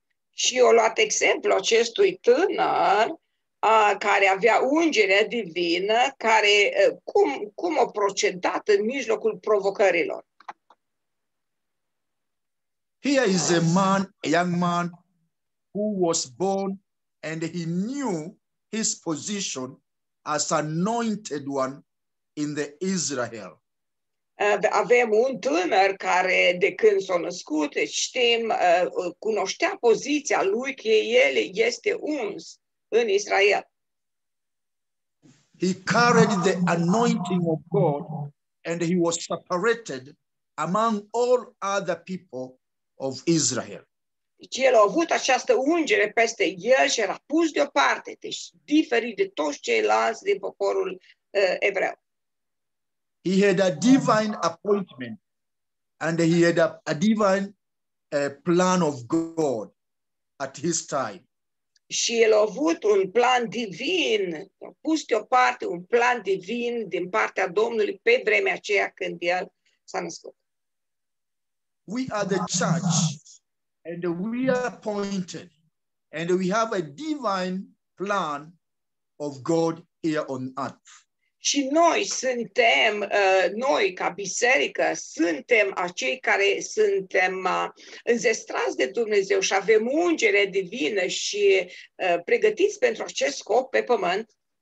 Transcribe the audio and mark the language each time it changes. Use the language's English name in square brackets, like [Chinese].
[Romanian] Și eu luat exemplu acestui tânăr care avea ungerea divină, care cum a procedat în mijlocul provocărilor. [English] Here is a man, a young man, who was born and he knew his position as anointed one in the Israel. [Romanian] Avem un tânăr care de când s-a născut, știm, cunoștea poziția lui că el este uns în Israel. [English] He carried the anointing of God and he was separated among all other people of Israel. [Romanian] Deci el a avut această ungere peste el și era pus deoparte, deci diferit de toți ceilalți din poporul evreu. [English] He had a divine appointment and he had a divine plan of God at his time. [Romanian] Și el a avut un plan divin, a pus deoparte un plan divin din partea Domnului pe vremea aceea când el s-a născut. [English] We are the church and we are appointed and we have a divine plan of God here on earth. [Romanian] Și noi suntem, noi ca biserică, suntem acei care suntem înzestrați de Dumnezeu și avem ungere divină și pregătiți pentru acest scop pe pământ.